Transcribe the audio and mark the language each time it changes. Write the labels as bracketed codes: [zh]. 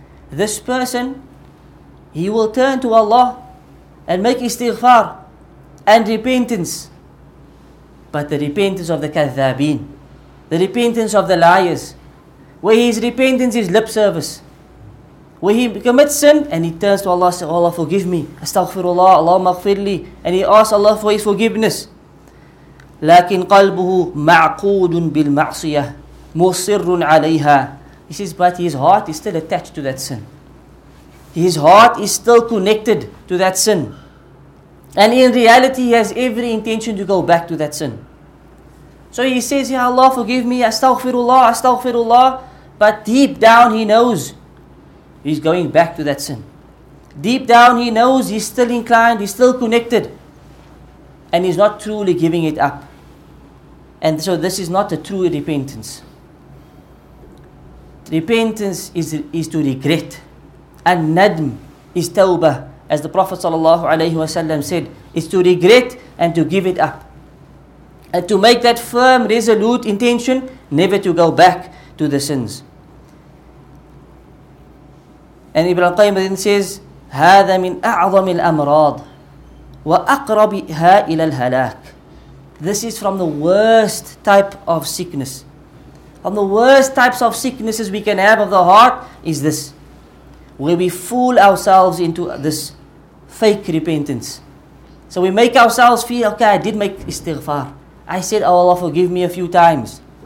[en] This person, he will turn to Allah and make istighfar and repentance, but the repentance of the kathabin, the repentance of the liars, where his repentance is lip service, where he commits sin and he turns to Allah and says, oh Allah, forgive me, astaghfirullah, Allah maghfirli, and he asks Allah for his forgiveness. [ar] لكن قلبه معقود بالمعصية مصر عليها. [en] He says, but his heart is still attached to that sin. His heart is still connected to that sin. And in reality, he has every intention to go back to that sin. So he says, ya Allah, forgive me, astaghfirullah, astaghfirullah. But deep down, he knows he's going back to that sin. Deep down, he knows he's still inclined, he's still connected. And he's not truly giving it up. And so this is not a true repentance. Repentance is to regret. And nadm is tawbah. As the Prophet sallallahu alaihi wasallam said, is to regret and to give it up. And to make that firm, resolute intention never to go back to the sins. And Ibn al-Qayyim then says, [ar] هذا من أعظم الأمراض وأقربها إلى الهلاك. [en] This is from the worst type of sickness. From the worst types of sicknesses we can have of the heart is this. Where we fool ourselves into this fake repentance. So we make ourselves feel, okay, I did make istighfar. I said, oh Allah, forgive me a few times.